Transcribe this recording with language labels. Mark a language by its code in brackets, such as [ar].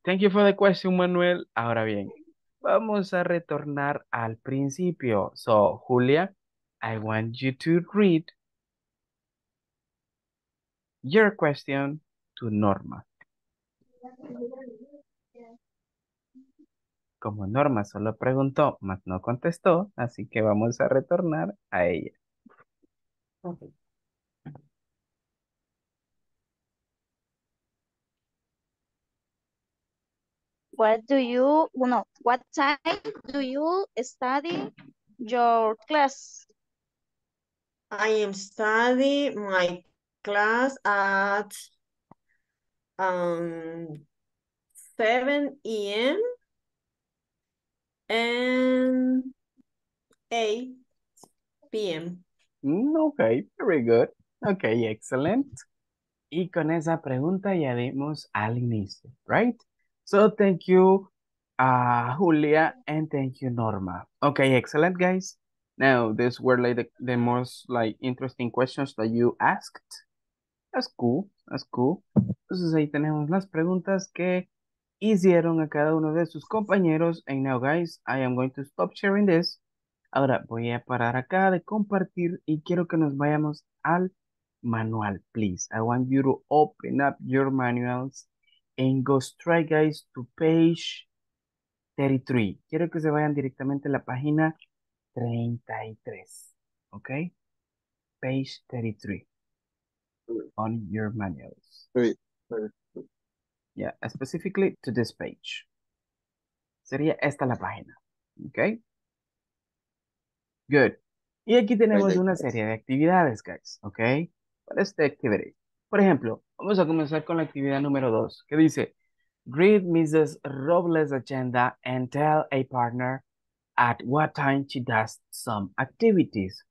[en] Thank you for the question, [es] Manuel. Ahora bien, vamos a retornar al principio. [en] So, Julia, I want you to read your question to Norma. [es] Como Norma solo preguntó, mas no contestó, así que vamos a retornar a ella. [en] Okay. what time do you study your class? I am studying my class at 7 a.m. and 8 p.m. Okay, very good. Okay, excellent. [es] Y con esa pregunta ya dimos al inicio, right? [en] So thank you, Julia, and thank you, Norma. Okay, excellent, guys. Now, these were like the most like interesting questions that you asked. That's cool, that's cool. [es] Entonces ahí tenemos las preguntas que hicieron a cada uno de sus compañeros. [en] And now, guys, I am going to stop sharing this. [es] Ahora voy a parar acá de compartir y quiero que nos vayamos al manual, please. [en] I want you to open up your manuals and go straight, guys, to page 33. [es] Quiero que se vayan directamente a la página 33, ¿ok? [en] Page 33 on your manuals. Yeah, specifically to this page. [es] Sería esta la página, [en] ¿ok? Good. [es] Y aquí tenemos una serie de actividades, guys, ¿ok? Para esta actividad. Por ejemplo, vamos a comenzar con la actividad número 2, que dice, [en] read Mrs. Robles' agenda and tell a partner at what time she does some activities.